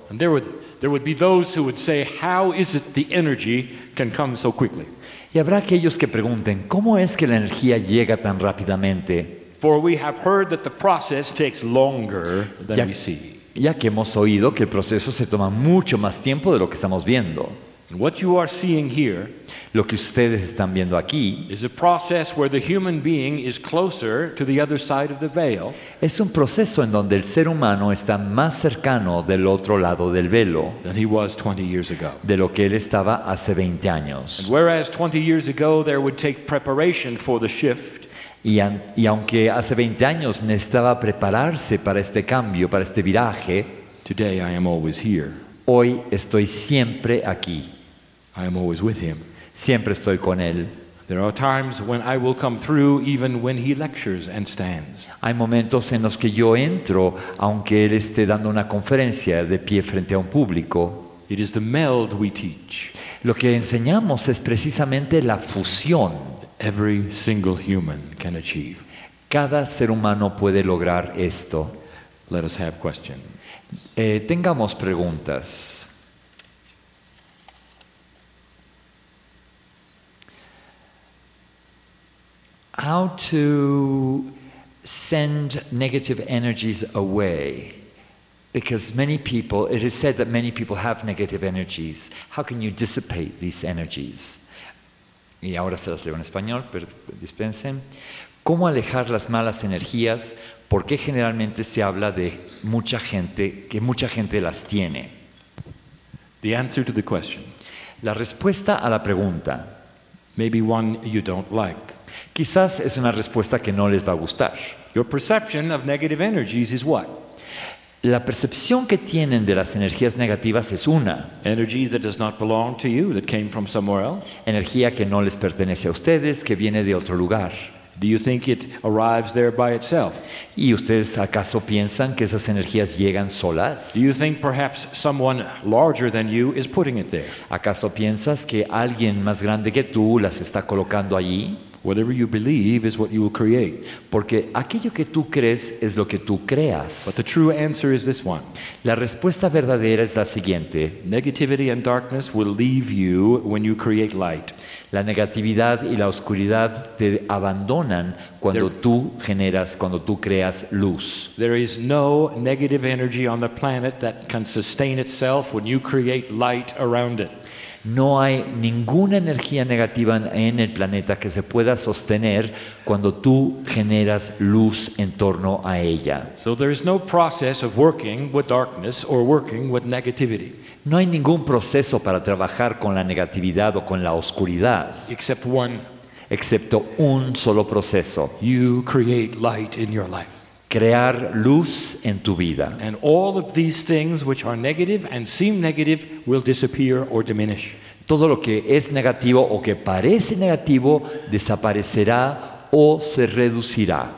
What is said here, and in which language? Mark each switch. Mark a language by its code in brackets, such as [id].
[en] And there would be those who would say, "How is it the energy can come so quickly?" [es] Y habrá aquellos que pregunten, ¿cómo es que la energía llega tan rápidamente? [en] For we have heard that the process takes longer than we see. [es] Ya que hemos oído que el proceso se toma mucho más tiempo de lo que estamos viendo. [en] What you are seeing here, [es] lo que ustedes están viendo aquí, [en] is a process where the human being is closer to the other side of the veil. [es] Es un proceso en donde el ser humano está más cercano del otro lado del velo [en] than he was 20 years ago. [es] De lo que él estaba hace 20 años. [en] And whereas 20 years ago there would take preparation for the shift, [es] y aunque hace 20 años necesitaba prepararse para este cambio, para este viraje, [en] today I am always here. [es] Hoy estoy siempre aquí. [en] I am always with him. [es] Siempre estoy con él. [en] There are times when I will come through even when he lectures and stands. [es] Hay momentos en los que yo entro aunque él esté dando una conferencia de pie frente a un público. [en] It is the meld we teach. [es] Lo que enseñamos es precisamente la fusión. [en] Every single human can achieve. [es] Cada ser humano puede lograr esto. [en] Let us have questions. [es] Tengamos preguntas. [en] How to send negative energies away? Because many people, it is said that many people have negative energies. How can you dissipate these energies? [es] Y ahora se las leo en español, pero dispensen. ¿Cómo alejar las malas energías? ¿Por qué generalmente se habla de mucha gente, que mucha gente las tiene? [en] The answer to the question. [es] La respuesta a la pregunta. [en] Maybe one you don't like. [es] Quizás es una respuesta que no les va a gustar. [en] Your perception of negative energies is what? [es] La percepción que tienen de las energías negativas es una. [en] Energy that does not belong to you, that came from somewhere else. [es] Energía que no les pertenece a ustedes, que viene de otro lugar. [en] Do you think it arrives there by itself? [es] ¿Y ustedes acaso piensan que esas energías llegan solas? [en] Do you think perhaps someone larger than you is putting it there? [es] ¿Acaso piensas que alguien más grande que tú las está colocando allí? [en] Whatever you believe is what you will create. [es] Porque aquello que tú crees es lo que tú creas. [en] But the true answer is this one. [es] La respuesta verdadera es la siguiente. [en] Negativity and darkness will leave you when you create light. [es] La negatividad y la oscuridad te abandonan cuando cuando tú creas luz. [en] There is no negative energy on the planet that can sustain itself when you create light around it. [es] No hay ninguna energía negativa en el planeta que se pueda sostener cuando tú generas luz en torno a ella. [en] So there is no process of working with darkness or working with negativity. [es] No hay ningún proceso para trabajar con la negatividad o con la oscuridad. [en] Except one. [es] Excepto un solo proceso. [en] You create light in your life. [es] Crear luz en tu vida. [en] And all of these things which are negative and seem negative will disappear or diminish. [es] Todo lo que es negativo o que parece negativo desaparecerá o se reducirá.